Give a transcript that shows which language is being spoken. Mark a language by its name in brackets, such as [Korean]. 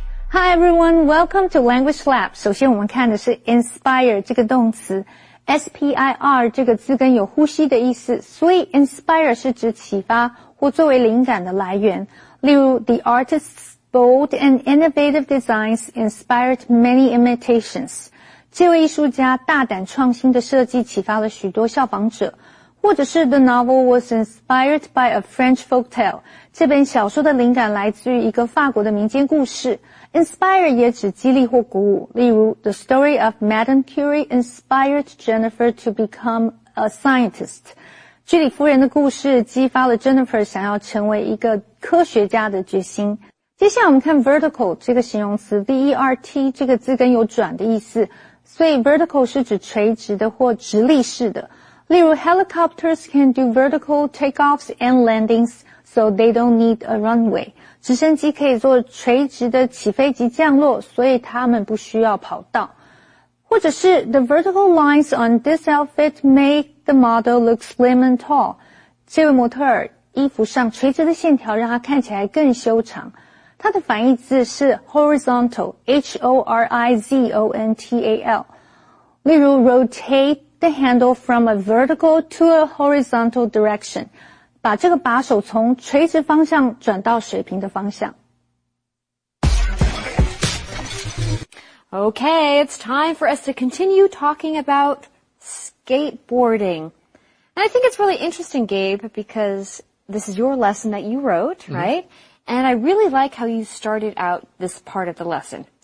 [English] Hi everyone, welcome to Language Lab. [Chinese] 首先我们看的是 inspire 这个动词。 S-P-I-R 这个字根有呼吸的意思，所以 inspire 是指启发或作为灵感的来源。例如 [English] ,The artist's bold and innovative designs inspired many imitations. [Chinese] 这位艺术家大胆创新的设计启发了许多效仿者。或者是 [English] The novel was inspired by a French folktale. [Chinese] 这本小说的灵感来自于一个法国的民间故事。 [English] Inspire [Chinese] 也指激励或鼓舞，例如 [English] The story of Madame Curie inspired Jennifer to become a scientist. [Chinese] 居里夫人的故事激发了 Jennifer 想要成为一个科学家的决心。接下来我们看 vertical 这个形容词 ,vert 这个字根有转的意思，所以 vertical 是指垂直的或直立式的。例如 [English] helicopters can do vertical takeoffs and landings, so they don't need a runway. [Chinese] 直升机可以做垂直的起飞及降落，所以他们不需要跑道。或者是 [English] The vertical lines on this outfit make the model look slim and tall. [Chinese] 这位模特儿衣服上垂直的线条让他看起来更修长。它的反义字是 horizontal, H-O-R-I-Z-O-N-T-A-L. 例如 [English] rotate the handle from a vertical to a horizontal direction. [Chinese] 把这个把手从垂直方向转到水平的方向。 [English] Okay, it's time for us to continue talking about skateboarding. And I think it's really interesting, Gabe, because this is your lesson that you wrote, right? And I really like how you started out this part of the lesson.